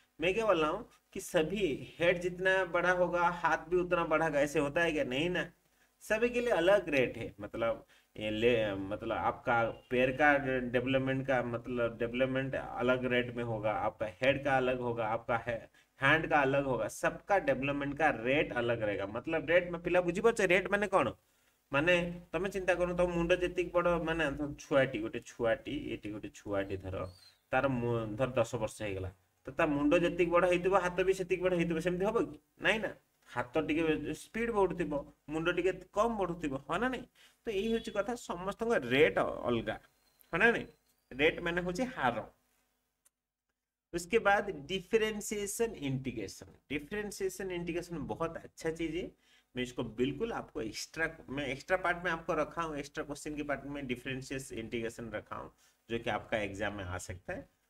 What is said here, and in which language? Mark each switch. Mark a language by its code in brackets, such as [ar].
[hi] मैं क्या बोल रहा हूँ कि सभी हेड जितना बड़ा होगा हाथ भी उतना बड़ा होगा, ऐसे होता है क्या, नहीं ना, सभी के लिए अलग रेट है। मतलब मतलब आपका पैर का डेवलपमेंट का मतलब डेवलपमेंट अलग रेट में होगा, आपका हेड का अलग होगा, आपका हैंड का अलग होगा, सबका डेवलपमेंट का रेट अलग रहेगा। मतलब रेट में पिला बुझी बच्चे, रेट मैंने कौन, [or] ମାନେ ତମେ ଚିନ୍ତା କରୁନ, ତମ ମୁଣ୍ଡ ଯେତିକି ବଡ଼, ମାନେ ଛୁଆଟି, ଗୋଟେ ଛୁଆଟି, ଏଠି ଗୋଟେ ଛୁଆଟି ଧର, ତାର ଧର 10 ବର୍ଷ ହେଇଗଲା, ତ ତା ମୁଣ୍ଡ ଯେତିକି ବଡ଼ ହେଇଥିବ, ହାତ ବି ସେତିକି ବଡ଼ ହେଇଥିବ, ସେମିତି ହବ କି? ନାଇଁ ନା, ହାତ ଟିକେ ସ୍ପିଡ୍ ବଢ଼ୁଥିବ, ମୁଣ୍ଡ ଟିକେ କମ୍ ବଢ଼ୁଥିବ, ହଁ ନା ନାଇଁ? ତ ଏଇ ହେଉଛି କଥା, ସମସ୍ତଙ୍କ ରେଟ୍ ଅଲଗା, ହଁ ନା ନାଇଁ? ରେଟ୍ ମାନେ ହଉଛି ହାର। [hi] उसके बाद डिफरेंशिएशन इंटीग्रेशन। डिफरेंशिएशन इंटीग्रेशन बहुत अच्छा चीज है, मैं इसको बिल्कुल आपको एक्स्ट्रा, मैं एक्स्ट्रा पार्ट में आपको रखा हूँ, एक्स्ट्रा क्वेश्चन के पार्ट में डिफरेंशिएशन इंटीग्रेशन रखा हूँ, जो कि आपका एग्जाम में आ सकता है।